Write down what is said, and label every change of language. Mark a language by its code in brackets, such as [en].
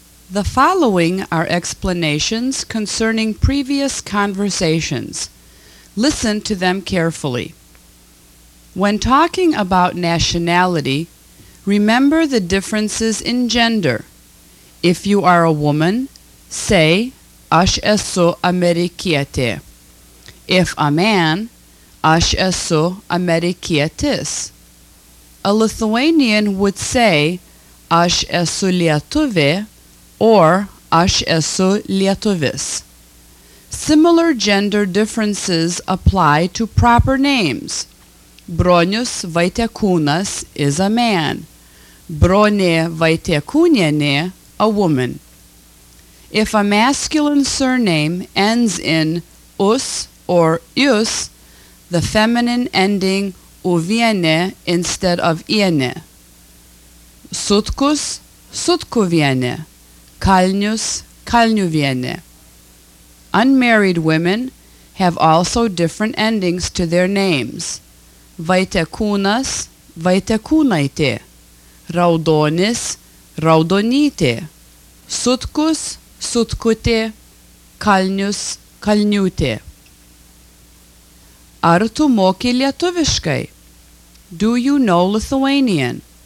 [en] The following are explanations concerning previous conversations. Listen to them carefully. When talking about nationality, remember the differences in gender. If you are a woman, say, aš esu amerikietė. If a man, aš esu amerikietis. A Lithuanian would say, aš esu lietuvė, or aš esu lietuvis. Similar gender differences apply to proper names. Bronius Vaitekūnas is a man. Bronė Vaitekūnienė a woman. If a masculine surname ends in us or jus, the feminine ending uviene instead of iene. Sutkus, sutkuviene. Kalnius, kalniuviene. Unmarried women have also different endings to their names. Vaitekūnas, vaitekūnaitė. Raudonis, raudonytė. Sutkus, sutkutė. Kalnius, kalniūtė. [lt] Ar tu moki lietuviškai? Do you know Lithuanian?